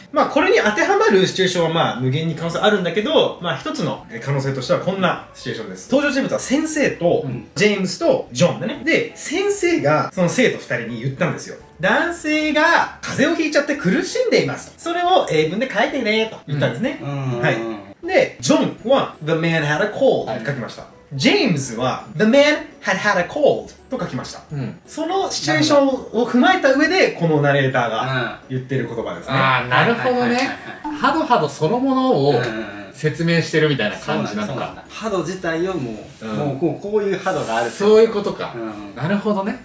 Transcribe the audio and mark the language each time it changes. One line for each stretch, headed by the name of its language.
Japanese: まあこれに当てはまるシチュエーションはまあ無限に可能性あるんだけど、まあ一つの可能性としてはこんなシチュエーションです。登場人物は先生とジェームスとジョンだね。で先生がその生徒二人に言ったんですよ。男性が風邪をひいちゃって苦しんでいます。それを英文で書いてねと言ったんですね、うんはい、でジョンは
English: The man had a cold
Japanese: と書きました。ジェームズは
English: The man had had a cold
Japanese: と書きました、うん、そのシチュエーションを踏まえた上でこのナレーターが言ってる言葉ですね、うん、あなるほどね。ハドハドそのものを、うん説明してるみたいな感じなのか。ハド自体をもう、うん、もうこう、こういうハドがあるって。そういうことか、うん。なるほどね。